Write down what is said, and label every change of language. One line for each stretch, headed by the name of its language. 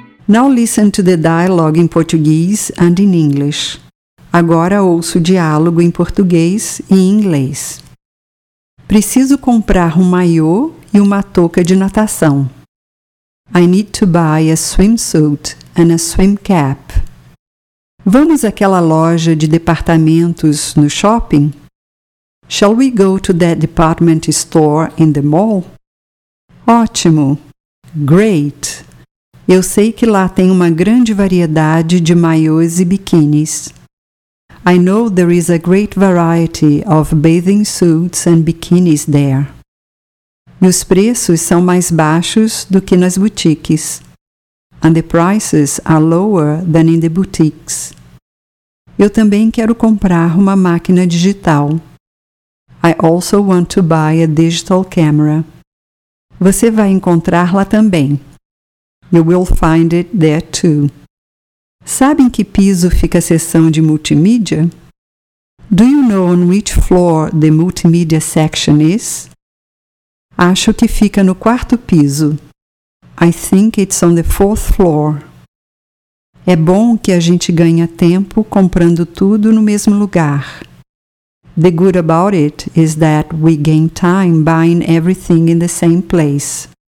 English: Now listen to the dialogue in Portuguese and in English.
Portuguese: Agora ouço o diálogo em português e em inglês. Preciso comprar um maiô e uma touca de natação.
English: I need to buy a swimsuit and a swim cap.
Portuguese: Vamos àquela loja de departamentos no shopping?
English: Shall we go to that department store in the mall?
Portuguese: Ótimo! Great! Eu sei que lá tem uma grande variedade de maiôs e biquínis.
English: I know there is a great variety of bathing suits and bikinis there.
Portuguese: E os preços são mais baixos do que nas boutiques.
English: And the prices are lower than in the boutiques.
Portuguese: Eu também quero comprar uma máquina digital.
English: I also want to buy a digital camera.
Portuguese: Você vai encontrar lá também.
English: You will find it there too.
Portuguese: Sabe em que piso fica a seção de multimídia?
English: Do you know on which floor the multimedia section is?
Portuguese: Acho que fica no quarto piso.
English: I think it's on the fourth floor.
Portuguese: É bom que a gente ganha tempo comprando tudo no mesmo lugar.
English: The good about it is that we gain time buying everything in the same place.